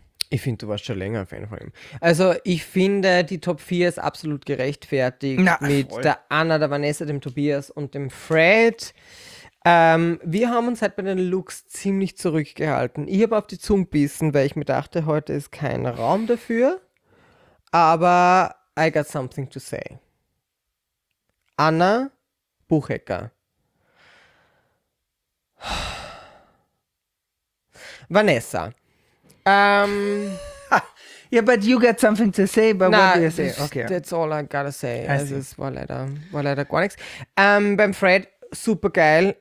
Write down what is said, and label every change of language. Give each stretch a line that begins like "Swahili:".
German: Ich finde, du warst schon länger ein Fan von ihm. Also ich finde, die Top 4 ist absolut gerechtfertigt. Na, mit voll. Der Anna, der Vanessa, dem Tobias und dem Fred. Wir haben uns halt bei den Looks ziemlich zurückgehalten. Ich habe auf die Zunge gebissen, weil ich mir dachte, heute ist kein Raum dafür. Aber
English: I got something to say. Anna Buchecker. Vanessa. Yeah, but you got something to say, but what do you say? Okay. That's all I gotta say.
German: Also, es war leider gar nichts. Beim Fred, super geil.